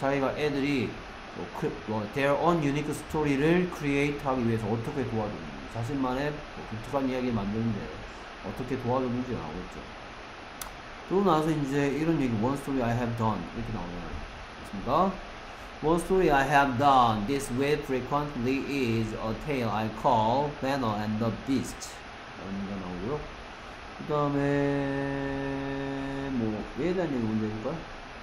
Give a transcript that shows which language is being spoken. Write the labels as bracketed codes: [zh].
[ko] 자기가 애들이 [en] their own unique story [ko] 를 create 하기 위해서 어떻게 도와줬는지, 자신만의 독특한 이야기를 만드는데 어떻게 도와줬는지 나오겠죠. 그러고 나서 이제 이런 얘기, [en] one story I have done. [ko] 이렇게 나오네요. 그렇습니까? [en] One story I have done this way frequently is a tale I call Banner and the Beast. [ko] 라는 게 나오고요. 그 다음에, 뭐, 얘에 대한 얘기 먼저 해볼까요?